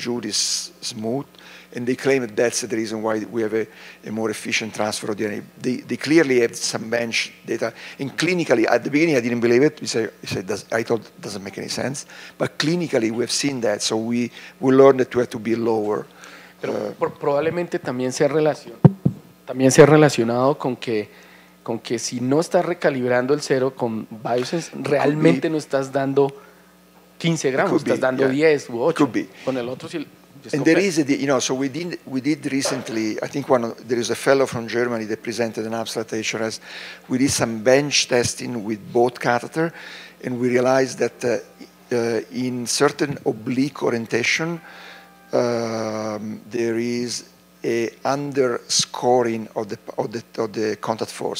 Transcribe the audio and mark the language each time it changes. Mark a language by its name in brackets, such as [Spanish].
[English] Jude is smooth. And they claim that that's the reason why we have a more efficient transfer of DNA. They clearly have some bench data. And clinically, at the beginning, I didn't believe it. I thought it doesn't make any sense. But clinically, we have seen that. So we learned that we have to be lower. [Spanish] Pero probablemente también se ha relacionado con que si no estás recalibrando el cero con biosensor, realmente no estás dando 15 gramos, estás dando 10 u 8. Con el otro, si [English] And there is, so we did recently, I think there is a fellow from Germany that presented an abstract at HRS. We did some bench testing with both catheter, and we realized that in certain oblique orientation, there is a underscoring of the contact force.